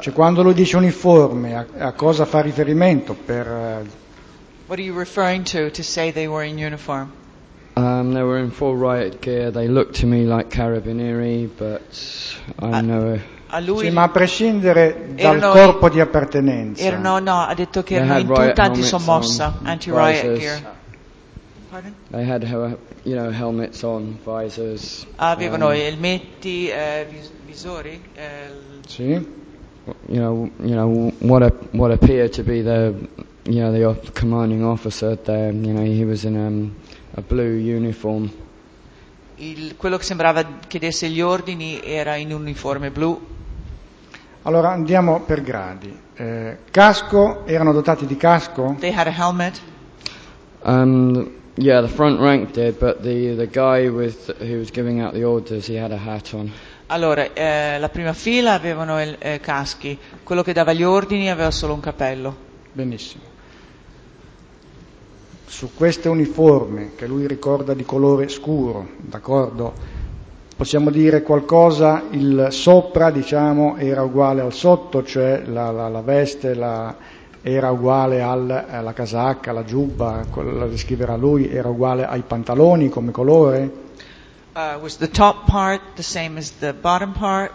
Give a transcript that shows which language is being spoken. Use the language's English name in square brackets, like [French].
[Italian] Cioè quando lui dice uniforme, a cosa fa riferimento per? [English] What are you referring to say they were in uniform? They were in full riot gear. They looked to me like carabinieri, but I know. [Italian] Sì, ma a prescindere dal corpo di appartenenza. No, ha detto che erano in tutta antisommossa, [English] anti-riot gear. Pardon? They had, helmets on, visors. [Italian] Avevano elmetti, visori. Sì. [English] What appeared to be the commanding officer there. He was in a blue uniform. [Italian] Quello che sembrava chiedesse gli ordini era in uniforme blu. Allora andiamo per gradi. Casco, erano dotati di casco? [English] They had a helmet. The front rank did, but the guy with who was giving out the orders, he had a hat on. [Italian] Allora, la prima fila avevano caschi. Quello che dava gli ordini aveva solo un cappello. Benissimo. Su queste uniformi che lui ricorda di colore scuro, d'accordo, possiamo dire qualcosa? Il sopra, era uguale al sotto, cioè la veste era uguale alla casacca, la giubba, quella descriverà lui, era uguale ai pantaloni come colore? [English] Was the top part the same as the bottom part?